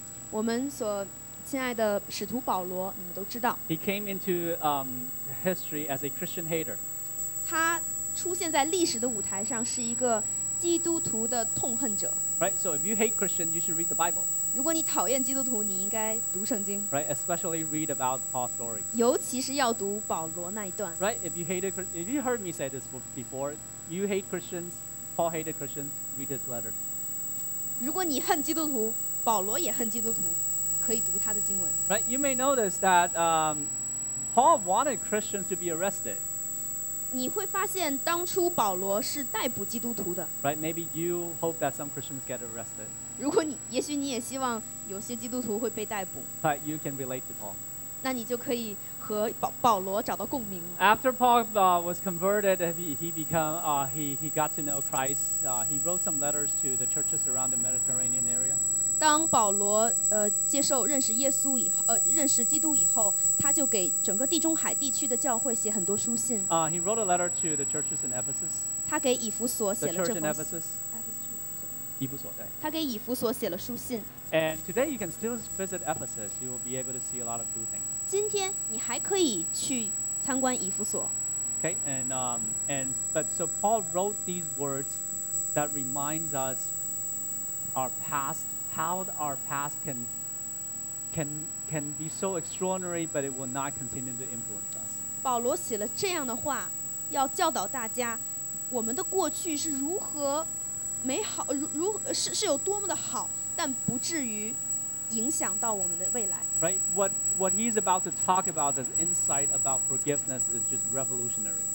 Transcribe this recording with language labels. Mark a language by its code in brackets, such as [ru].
[zh] 我们所亲爱的使徒保罗，你们都知道。 [en] He came into history as a Christian hater. [zh] 他出现在历史的舞台上是一个基督徒的痛恨者。 [en] Right. So if you hate Christian, you should read the Bible. [zh] 如果你讨厌基督徒，你应该读圣经。 [en] Right. Especially read about Paul's story. [zh] 尤其是要读保罗那一段。 [en] Right. If you heard me say this before. You hate Christians, Paul hated Christians, read his letter. [zh] 如果你恨基督徒，保罗也恨基督徒，可以读他的经文。 [en] Right, you may notice that Paul wanted Christians to be arrested. [zh] 你会发现当初保罗是逮捕基督徒的。 [en] Right, maybe you hope that some Christians get arrested. [zh] 如果你，也许你也希望有些基督徒会被逮捕。 [en] But you can relate to Paul. [zh] 那你就可以和保罗找到共鸣。 [en] After Paul was converted, he got to know Christ. He wrote some letters to the churches around the Mediterranean area. [zh] 当保罗接受认识耶稣以后，认识基督以后，他就给整个地中海地区的教会写很多书信。 [en] He wrote a letter to the churches in Ephesus. [zh] 他给以弗所写了这封信。 [en] The church in Ephesus. [zh] 以弗所，对。他给以弗所写了书信。 [en] And today you can still visit Ephesus. You will be able to see a lot of cool things. [zh] 今天你还可以去参观以弗所。 [en] Okay, and so Paul wrote these words that reminds us our past, how our past can can be so extraordinary, but it will not continue to influence us. [zh] 保罗写了这样的话，要教导大家，我们的过去是如何美好，是有多么的好，但不至于影响到我们的未来。 [en] Right, what he's about to talk about, this insight about forgiveness, is just revolutionary.